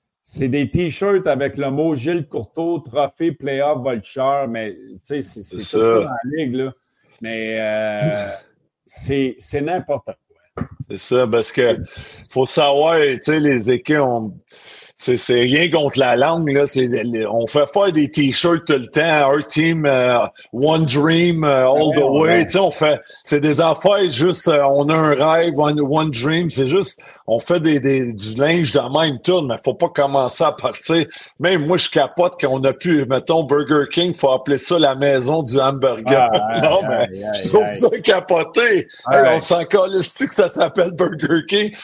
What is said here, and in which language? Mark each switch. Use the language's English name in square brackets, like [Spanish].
[French] C'est des t-shirts avec le mot Gilles Courteau, trophée, playoff, vulture, mais tu sais, c'est ça dans la ligue, là. Mais c'est n'importe quoi. C'est ça, parce que faut savoir, tu sais, les équipes ont. C'est rien contre la langue, là. On fait faire des t-shirts tout le temps. [English] Our team, one dream, all the way. [French] Ouais. Tu sais, on fait, c'est des affaires juste, on a un rêve, [English] one dream. [French] C'est juste, on fait du linge de même tour, mais faut pas commencer à partir. Même moi, je capote qu'on a pu, mettons, Burger King, faut appeler ça la maison du hamburger. Je trouve ça capoté. On s'en calisse-tu que ça s'appelle Burger King?